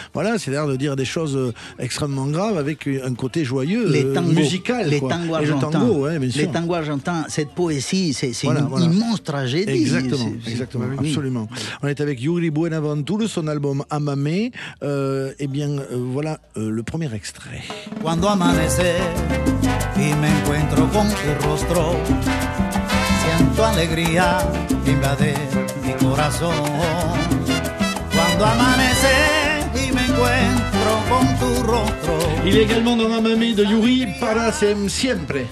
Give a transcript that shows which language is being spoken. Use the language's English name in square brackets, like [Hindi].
[French] Voilà, c'est l'air de dire des choses extrêmement graves avec un côté joyeux, les tangos, musical. Les quoi. Tangos argentins. Le tango, ouais, bien sûr. Les tangos argentins, cette poésie, c'est une immense tragédie. Exactement, c'est absolument. Oui. On est avec Yuri Buenaventura, son album Amame. Le premier extrait. [Spanish] Cuando amanece y me encuentro con tu rostro, siento alegría invade mi corazón. Cuando amanece y me encuentro con tu rostro. [French] Il est également dans Amame de Yuri para siempre.